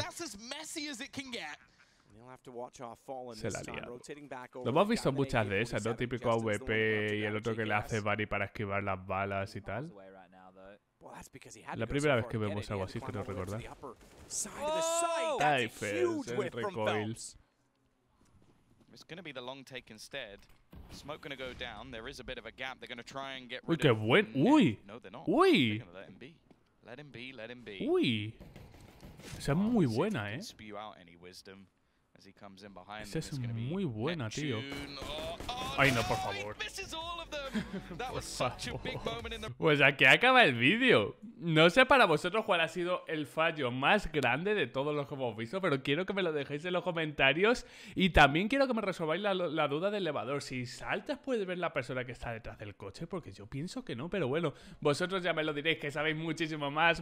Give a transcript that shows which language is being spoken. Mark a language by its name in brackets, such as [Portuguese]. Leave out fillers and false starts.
[Spanish] Se la ha liado. Lo hemos visto muchas de esas, ¿no? Típico AWP y el otro que le hace Barry para esquivar las balas y tal. La primera vez que vemos algo así, creo recordar. Fels, el recoil. [English] It's going to be the long take instead. Smoke going to go down. There is a bit of a gap. They're going to try and get rid of him. Uy. No, they're not. Uy. They're going to let him be. Let him be. Let him be. Uy. [Spanish] Esa es muy buena, ¿eh? [English] Spew out any wisdom as he comes in behind them. [Spanish] Esa es muy buena, tío. Ay, no, por favor. [English] That was such a big moment in the... [Spanish] Pues aquí acaba el vídeo. No sé para vosotros cuál ha sido el fallo más grande de todos los que hemos visto, pero quiero que me lo dejéis en los comentarios y también quiero que me resolváis la duda del elevador. Si saltas, puedes ver la persona que está detrás del coche, porque yo pienso que no, pero bueno, vosotros ya me lo diréis, que sabéis muchísimo más.